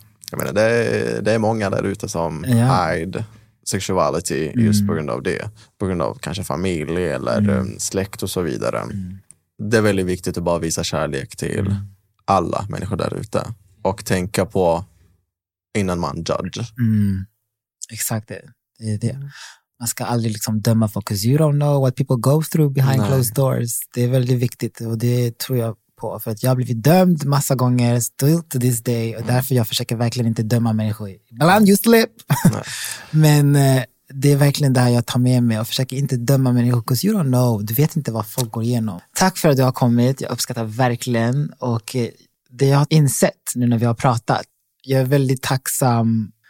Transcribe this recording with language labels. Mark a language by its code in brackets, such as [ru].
[sv] Jag menar, det är många där ute som [en] hide sexuality [sv] just på grund av det. På grund av kanske familj eller släkt och så vidare. Det är väldigt viktigt att bara visa kärlek till alla människor där ute. Och tänka på innan man judge. Mm. Exakt det. Det är det. Man ska aldrig liksom döma folk, [en] 'cause you don't know what people go through behind closed doors. [sv] Det är väldigt viktigt och det tror jag på, för att jag har blivit dömd massa gånger [en] still to this day, [sv] och därför jag försöker verkligen inte döma människor. Ibland [en] you slip. [sv] Men det är verkligen det här jag tar med mig och försöker inte döma människor, [en] 'cause you don't know. [sv] Du vet inte vad folk går igenom. Tack för att du har kommit. Jag uppskattar verkligen, och det jag har insett nu när vi har pratat, jag är väldigt tacksam.